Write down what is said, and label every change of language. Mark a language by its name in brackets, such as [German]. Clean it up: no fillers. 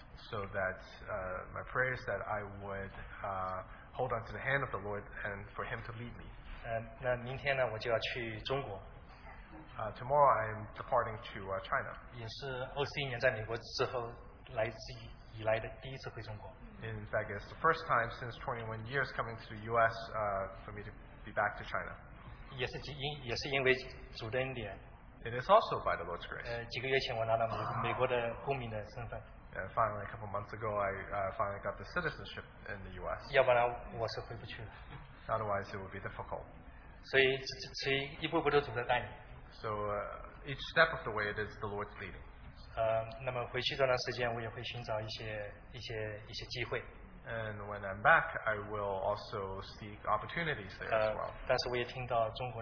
[English] So that my prayer is that I would hold on to the hand of the Lord and for Him to lead me. [Chinese] 那明天呢，我就要去中国。 [English] Tomorrow I'm departing to China. [Chinese] 也是21年在美国之后来自以来的第一次回中国。 [English] In fact, it's the first time since 21 years coming to the U.S. For me to be back to China. [Chinese] 也是因为主的恩典。 [English] It is also by the Lord's grace. [Chinese] 几个月前我 拿到美国的公民的身份。 [English] Finally, a couple months ago, I finally got the citizenship in the U.S. [Chinese] 要不然我是回不去了。 [English] Otherwise, it would be difficult. [Chinese] 所以一步步都走在带你。 [English] So each step of the way, it is the Lord's leading. [Chinese] 那么回去这段时间，我也会寻找一些机会。 [English] And when I'm back, I will also seek opportunities there as well.